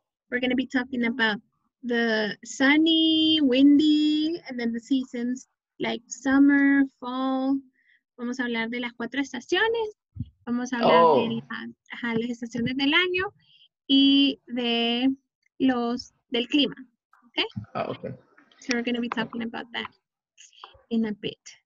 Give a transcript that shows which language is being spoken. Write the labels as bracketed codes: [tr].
[en] We're going to be talking about the sunny, windy, and then the seasons like summer, fall. [es] Vamos a hablar de las cuatro estaciones. Vamos a hablar de las estaciones del año y del clima. [en] Okay? Oh, okay. So we're going to be talking about that in a bit.